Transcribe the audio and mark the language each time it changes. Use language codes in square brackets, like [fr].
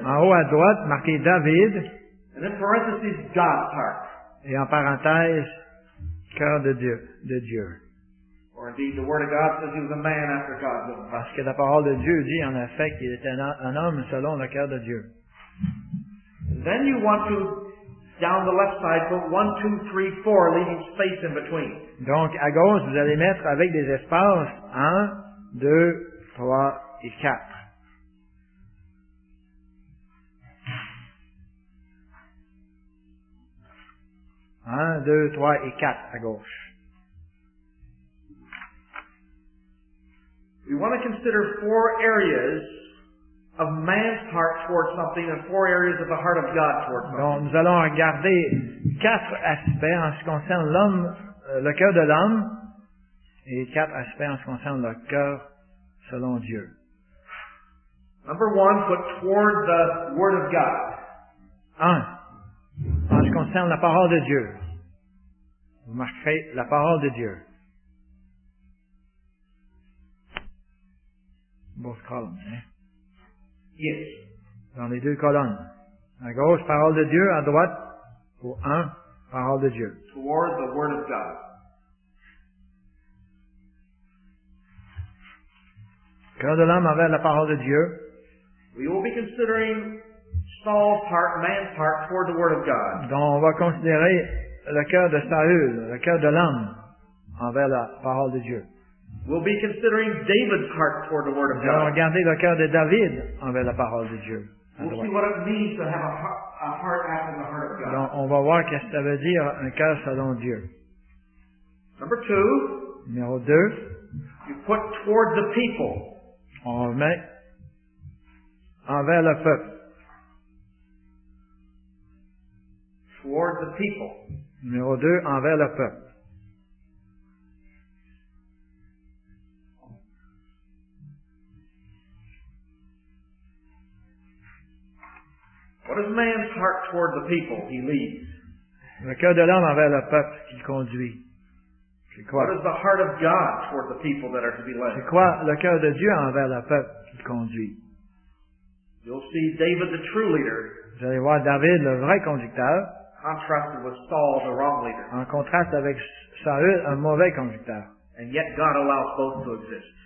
[fr] En haut à droite, marquez David. [en] And in parentheses, God's heart. [fr] Et en parenthèse, cœur de Dieu. [en] Or indeed, the Word of God says he was a man after God's own heart. [fr] Parce que la parole de Dieu dit en effet qu'il était un homme selon le cœur de Dieu. [en] Then you want to, down the left side, put 1, 2, 3, 4, leaving space in between. [fr] Donc à gauche, vous allez mettre avec des espaces 1, 2, 3. Un, deux, trois et quatre à gauche. [en] We want to consider four areas of man's heart towards something and four areas of the heart of God towards something. [fr] Donc, nous allons regarder quatre aspects en ce qui concerne l'homme, le cœur de l'homme, et quatre aspects en ce qui concerne le cœur selon Dieu. [en] Number one, put toward the Word of God. [fr] Un. En ce qui concerne la parole de Dieu. Vous marquerez la parole de Dieu. [en] Both columns, hein? Yes. [fr] Dans les deux colonnes. À gauche, parole de Dieu. À droite, pour un, parole de Dieu. [en] Toward the Word of God. [fr] Cœur de l'homme envers la parole de Dieu. [en] We will be considering Saul's heart, man's heart, toward the Word of God. [fr] Donc, on va considérer le cœur de Saül, le cœur de l'homme, envers la parole de Dieu. [en] We'll be considering David's heart toward the Word of God. [fr] On va regarder le cœur de David envers la parole de Dieu. [en] We'll see what it means to have a heart after the heart of God. [fr] Donc, on va voir qu'est-ce que ça veut dire un cœur selon Dieu. [en] Number two. [fr] Numéro deux. [en] You put toward the people. [fr] On met envers le peuple. [en] Toward the people. [fr] Numéro deux, envers le peuple. [en] What is man's heart toward the people he leads? [fr] Le cœur de l'homme envers le peuple qu'il conduit. C'est quoi? [en] What is the heart of God toward the people that are to be led? [fr] C'est quoi le cœur de Dieu envers le peuple qu'il conduit? [en] You'll see David, the true leader. [fr] Vous allez voir David, le vrai conducteur. [en] Contrasted with Saul, the wrong leader. [fr] En contraste avec Saül, un mauvais conducteur. [en] And yet God allows both to exist.